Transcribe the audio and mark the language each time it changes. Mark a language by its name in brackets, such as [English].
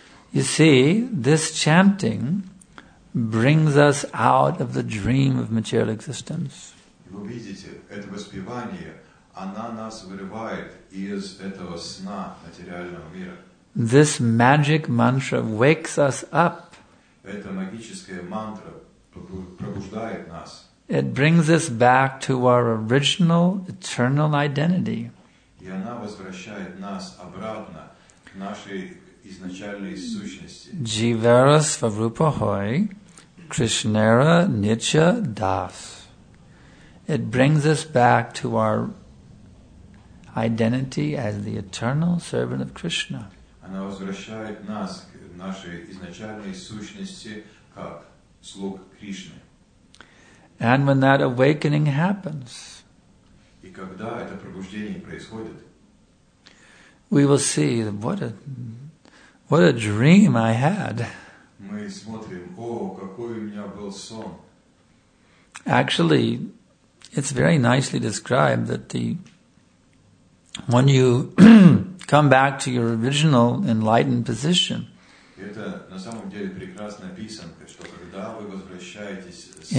[English] You see, this chanting brings us out of the dream of material existence. [Russian] Вы видите, это воспевание, она нас вырывает из этого сна материального мира. [English] This magic mantra wakes us up. [Russian] Эта магическая мантра пробуждает нас. [English] It brings us back to our original eternal identity. [Russian] И она возвращает нас обратно к нашей изначальной сущности. [Bangla] Jivara Svarupa Hoy Krishnera Nitya Das. [English] It brings us back to our identity as the eternal servant of Krishna. [Russian] Она возвращает нас к нашей изначальной сущности как слуг Кришны. [English] And when that awakening happens, [Russian] и когда это пробуждение происходит, [English] we will see what a dream I had. [Russian] Мы смотрим, о, какой у меня был сон. [English] Actually, it's very nicely described that when you come back to your original enlightened position. [Russian] Это на самом деле прекрасная писанка, что когда вы возвращаетесь